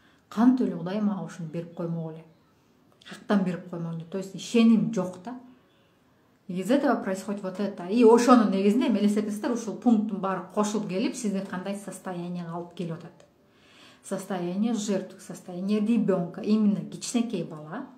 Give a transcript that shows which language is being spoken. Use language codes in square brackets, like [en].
[ky] Кантип эле Кудай мага ушуну берип коймок эле, кактан берип коймок эле? [ru] То есть [ky] ишеним жок да, [ru] из этого происходит вот это. [ky] И ошону негизинде мелесептер ушул пункттун баары кошулуп келип сизди кандай состоянияга алып келип атат. [ru] Состояние жертвы, состояние ребенка, именно [ky] кичинекей бала.